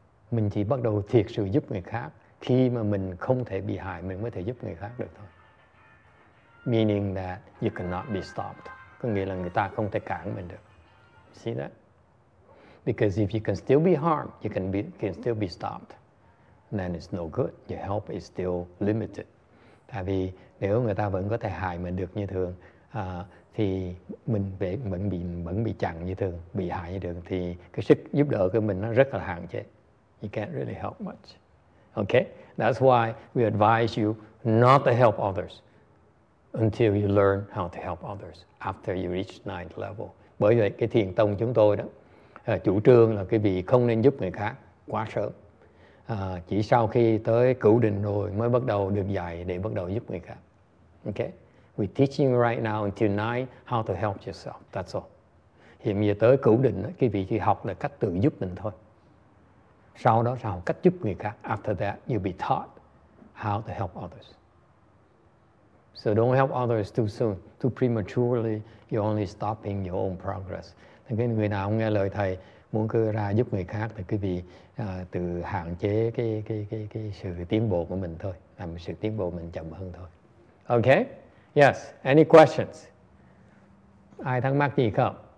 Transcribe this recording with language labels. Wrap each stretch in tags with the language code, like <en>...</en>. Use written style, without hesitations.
<vi>Mình chỉ bắt đầu thiệt sự giúp người khác khi mà mình không thể bị hại, mình mới thể giúp người khác được thôi.</vi> <en>Meaning that you cannot be stopped.</en> <vi>Có nghĩa là người ta không thể cản mình được.</vi> <en>See that? Because if you can still be harmed, you can still be stopped. Then it's no good. Your help is still limited.</en> <vi>Tại vì nếu người ta vẫn có thể hại mình được như thường, thì mình vẫn bị chặn như thường, bị hại như thường, thì cái sức giúp đỡ của mình nó rất là hạn chế.</vi> <en>You can't really help much. Okay? That's why we advise you not to help others until you learn how to help others after you reach ninth level.</en> <vi>Bởi vậy, cái thiền tông chúng tôi đó, chủ trương là cái vị không nên giúp người khác quá sớm. Chỉ sau khi tới cửu định rồi mới bắt đầu được dạy để bắt đầu giúp người khác.</vi> <en>Okay? We teach you right now until ninth how to help yourself. That's all.</en> <vi>Hiện giờ tới cửu định, cái vị chỉ học là cách tự giúp mình thôi. Sau đó sao cách giúp người khác.</vi> <en>After that, you'll be taught how to help others. So don't help others too soon, too prematurely. You're only stopping your own progress.</en> <vi>Thì người nào nghe lời thầy muốn cứ ra giúp người khác thì quý vị tự hạn chế cái sự tiến bộ của mình thôi, làm sự tiến bộ mình chậm hơn thôi. Okay?</vi> <en>Yes. Any questions?</en> <vi>Ai thắc mắc gì không?</vi>